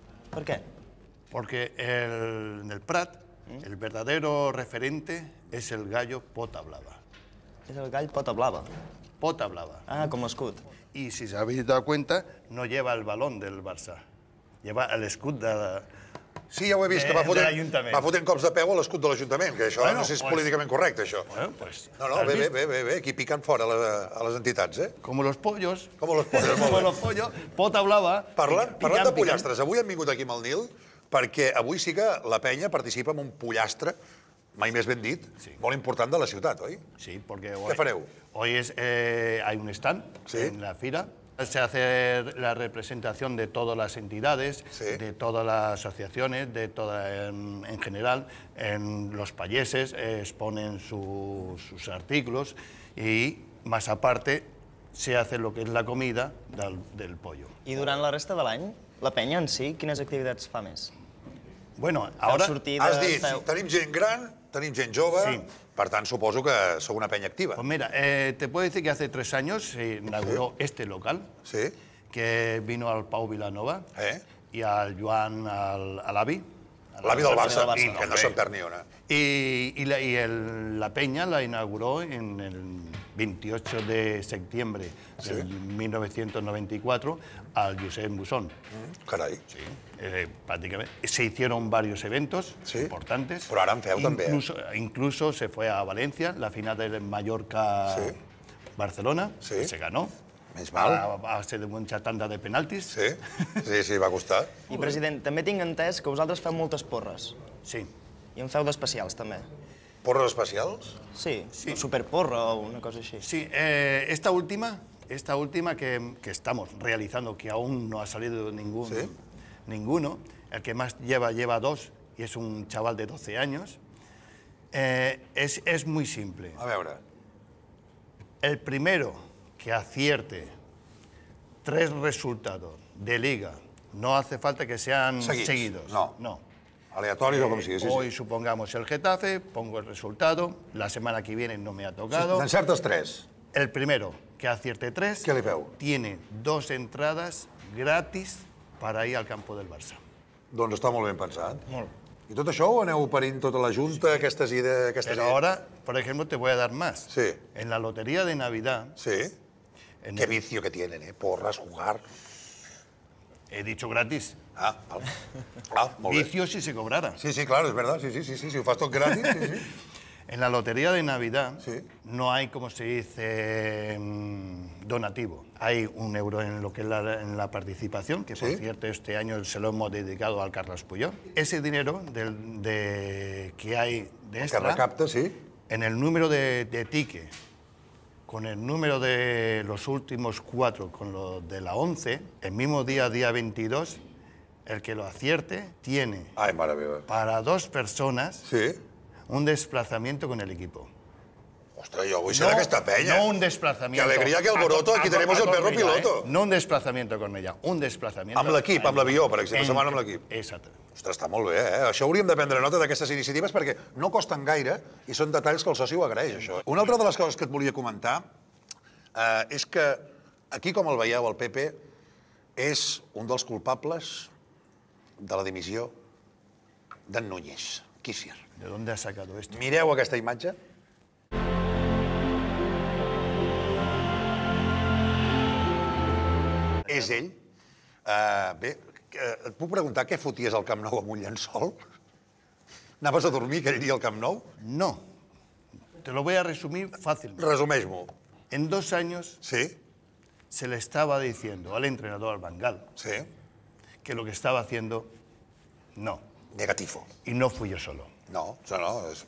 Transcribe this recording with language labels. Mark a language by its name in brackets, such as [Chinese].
[Catalan] Per què? [Spanish] Porque en el Prat, el verdadero referente es el gallo Pota Blava. [Catalan] És el gall Pota Blava? Pota Blava. Ah, com escut. [Spanish] Y si se habéis dado cuenta, no lleva el balón del Barça. Lleva el escut de... [Catalan] Sí, ja ho he vist, que va fotent cops de peu a l'escut de l'Ajuntament, que això no sé si és políticament correcte, això. [Spanish] Bueno, pues... [Catalan] No, no, bé, bé, bé, bé, aquí piquen fora a les entitats, eh? [Spanish] Como los pollos. Como los pollos, [Catalan] molt bé. [Spanish] Como los pollos, Pota Blava... [Catalan] Parlant de pollastres, avui hem vingut aquí amb el Nil, perquè avui sí que la penya participa en un pollastre, mai més ben dit, molt important de la ciutat, oi? [Spanish] Sí, porque... [Catalan] Què fareu? [Spanish] Hoy hay un stand en la fira. Se hace la representación de todas las entidades, de todas las asociaciones, de toda, en general, en los payeses exponen sus artículos y, más aparte, se hace lo que es la comida del pollo. [Catalan] I durant la resta de l'any, la penya en si, quines activitats fa més? [Spanish] Bueno, ahora... [Catalan] Has dit, tenim gent gran, tenim gent jove... Per tant, suposo que sou una penya activa. [Spanish] Pues mira, te puedo decir que hace 3 años se inauguró este local, que vino al Pau Vilanova [Catalan] i al Joan, a l'avi. L'avi del Barça, que no se'n perd ni una. [Spanish] I la penya la inauguró en el 28 de septiembre de 1994 al Josep Musón. [Catalan] Carai. Pràcticament. [Spanish] Se hicieron varios eventos importantes. [Catalan] Però ara en feu, també. [Spanish] Incluso se fue a València, la final de Mallorca-Barcelona, que se ganó. [Catalan] Menys mal. Va ser [Spanish] de mucha tanda de penaltis. [Catalan] Sí, sí, sí, va costar. I, president, també tinc entès que vosaltres feu moltes porres. Sí. I en feu d'especials, també. Porres especials? Sí, superporra o una cosa així. [Spanish] Sí, esta última que estamos realizando, que aún no ha salido ninguno, el que más lleva 2, y es un chaval de 12 años, es muy simple. [Catalan] A veure. [Spanish] El primero que acierte 3 resultados de Liga, no hace falta que sean seguidos. [Catalan] No. Aleatorios o com sigui, sí, sí. [Spanish] Hoy supongamos el Getafe, pongo el resultado, la semana que viene no me ha tocado. [Catalan] N'encertes 3. [Spanish] El primero que acierte 3... [Catalan] Què li feu? [Spanish] Tiene 2 entradas gratis para ir al campo del Barça. [Catalan] Doncs està molt ben pensat. Molt. I tot això ho aneu parint tota la Junta, aquestes idees... Però ara, [Spanish] por ejemplo, te voy a dar más. Sí. En la Lotería de Navidad... Sí. Qué vicio que tienen, porras, jugar... He dicho gratis. [Catalan] Ah, molt bé. [Spanish] Vicio si se cobrara. Sí, sí, claro, es verdad. Sí, sí, sí, [Catalan] si ho fas tot gratis, [Spanish] sí, sí. En la Lotería de Navidad no hay, como se dice, donativo. Hay 1 euro en lo que es la participación, que por cierto este año se lo hemos dedicado al Carles Puyol. Ese dinero que hay de extra... [Catalan] Que recapta, sí. [Spanish] En el número de ticket, con el número de los últimos 4, con lo de la 11, el mismo día 22, el que lo acierte tiene... Ay, maravilla. Para 2 personas... Sí. Un desplazamiento con el equipo. [Catalan] Ostres, jo vull ser d'aquesta penya. [Spanish] No un desplazamiento. Que alegria que el Boroto, aquí tenemos el perro piloto. No un desplazamiento con ella, un desplazamiento... [Catalan] Amb l'equip, amb l'avió, per exemple, se'n van amb l'equip. Exacte. Ostres, està molt bé, eh? Això hauríem de prendre nota d'aquestes iniciatives perquè no costen gaire i són detalls que el soci ho agraeix, això. Una altra de les coses que et volia comentar és que aquí, com el veieu, el Pepe és un dels culpables de la dimissió d'en Núñez. Kissinger. [Spanish] ¿De dónde has sacado esto? [Catalan] Mireu aquesta imatge. És ell. Bé, et puc preguntar què foties al Camp Nou amb un llençol? Anaves a dormir aquell dia al Camp Nou? No. [Spanish] Te lo voy a resumir fácilmente. [Catalan] Resumeix-m'ho. [Spanish] En 2 años... Sí. Se le estaba diciendo al entrenador, al Van Gaal, sí, que lo que estaba haciendo, no. Negativo. Y no fui yo solo. No, no, no.